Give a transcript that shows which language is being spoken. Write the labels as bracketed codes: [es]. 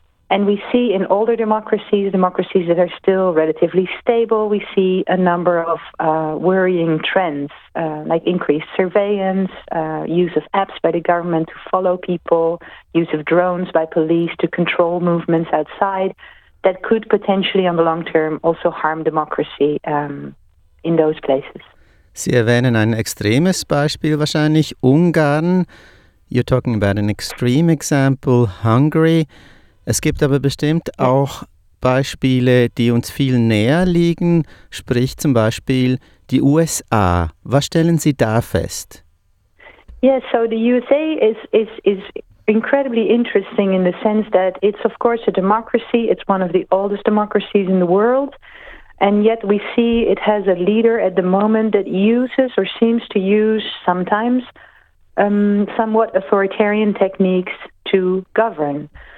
[en] And we see in older democracies that are still relatively stable, we see a number of worrying trends, like increased surveillance, use of apps by the government to follow people, use of drones by police to control movements outside, that could potentially on the long term also harm democracy in those places. [de] Sie erwähnen ein extremes Beispiel wahrscheinlich, Ungarn. [en] You're talking about an extreme example, Hungary. [de] Es gibt aber bestimmt auch Beispiele, die uns viel näher liegen, sprich zum Beispiel die USA. Was stellen Sie da fest? [en] Yes, so the USA is incredibly interesting in the sense that it's of course a democracy. It's one of the oldest democracies in the world. And yet we see it has a leader at the moment that uses or seems to use sometimes somewhat authoritarian techniques to govern.